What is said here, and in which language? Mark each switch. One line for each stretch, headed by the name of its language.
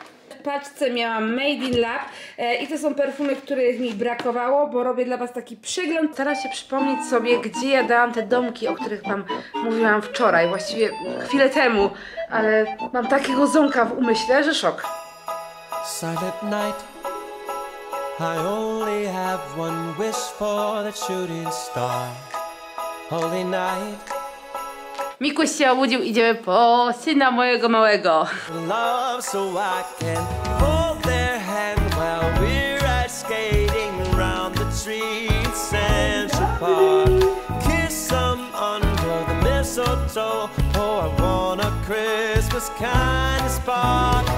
Polish: W paczce miałam Made in Lab i to są perfumy, których mi brakowało, bo robię dla was taki przegląd. Staram się przypomnieć sobie, gdzie ja dałam te domki, o których wam mówiłam wczoraj, właściwie chwilę temu, ale mam takiego ząka w umyśle, że szok.
English: Silent night. I only have one wish for that shooting star. Holy night.
Polish: Mikuś się obudził, idziemy po syna mojego małego.
English: Love so I can hold their hand while we're ice skating around the trees in Central Park. Kiss them under the mistletoe. Oh, I want a Christmas kind of spark.